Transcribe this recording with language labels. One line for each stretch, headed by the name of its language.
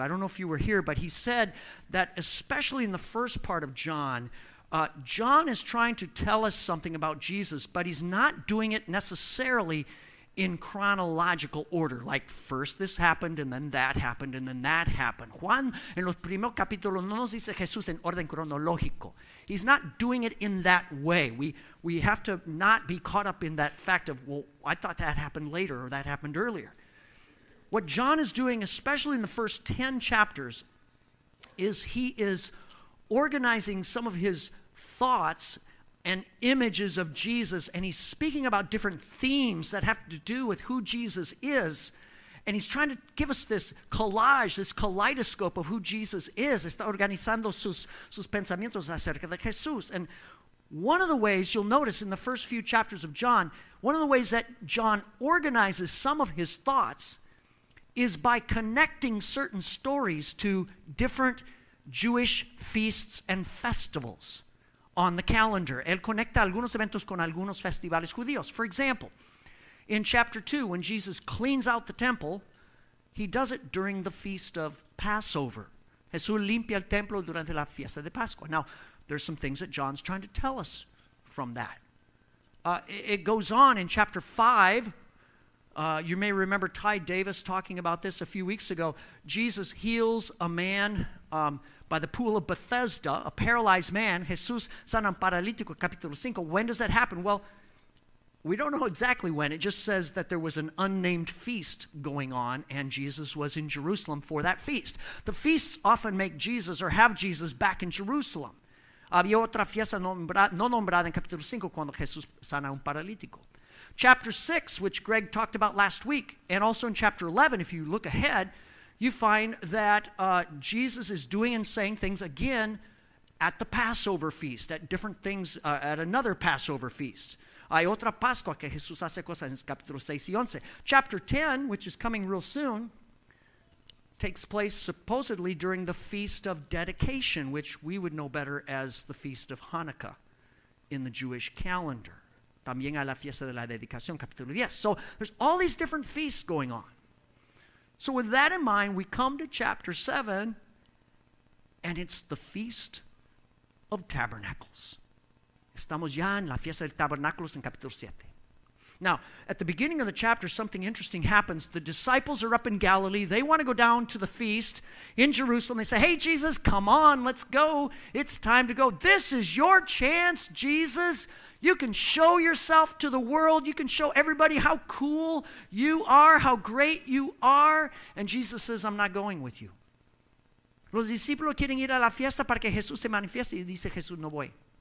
English: I don't know if you were here, but he said that especially in the first part of John, John is trying to tell us something about Jesus, but he's not doing it necessarily in chronological order, like first this happened, and then that happened, and then that happened.
Spanish: Juan, en los primeros capítulos, no nos dice Jesús en orden cronológico.
English: He's not doing it in that way. We have to not be caught up in that fact of, well, I thought that happened later, or that happened earlier. What John is doing, especially in the first 10 chapters, is he is organizing some of his thoughts and images of Jesus, and he's speaking about different themes that have to do with who Jesus is, and he's trying to give us this collage, this kaleidoscope of who Jesus is.
Spanish: Está organizando sus pensamientos acerca de Jesús.
English: And one of the ways you'll notice in the first few chapters of John, one of the ways that John organizes some of his thoughts is by connecting certain stories to different Jewish feasts and festivals on the calendar.
Spanish: Él conecta algunos eventos con algunos festivales judíos.
English: For example, in chapter 2, when Jesus cleans out the temple, he does it during the feast of Passover.
Spanish: Jesús limpia el templo durante la fiesta de Pascua.
English: Now, there's some things that John's trying to tell us from that. It goes on in chapter 5. You may remember Ty Davis talking about this a few weeks ago. Jesus heals a man by the pool of Bethesda, a paralyzed man.
Spanish: Jesús sana un paralítico, capítulo 5.
English: When does that happen? Well, we don't know exactly when. It just says that there was an unnamed feast going on, and Jesus was in Jerusalem for that feast. The feasts often make Jesus or have Jesus back in Jerusalem.
Spanish: Había otra fiesta no nombrada en capítulo 5 cuando Jesús sana un paralítico.
English: Chapter 6, which Greg talked about last week, and also in chapter 11, if you look ahead, you find that Jesus is doing and saying things again at the Passover feast, at different things, at another Passover feast.
Spanish: Hay otra Pascua que Jesús hace cosas en capítulo 6 y 11.
English: Chapter 10, which is coming real soon, takes place supposedly during the Feast of Dedication, which we would know better as the Feast of Hanukkah in the Jewish calendar.
Spanish: También a la fiesta de la dedicación, capítulo 10.
English: So there's all these different feasts going on. So with that in mind, we come to chapter 7, and it's the Feast of Tabernacles.
Spanish: Estamos ya en la fiesta de tabernáculos en capítulo 7.
English: Now, at the beginning of the chapter, something interesting happens. The disciples are up in Galilee. They want to go down to the feast in Jerusalem. They say, hey, Jesus, come on, let's go. It's time to go. This is your chance, Jesus. You can show yourself to the world. You can show everybody how cool you are, how great you are. And Jesus says, I'm not going with you.
Spanish: Los discípulos quieren ir a la fiesta para que Jesús se manifieste, y dice Jesús, no voy.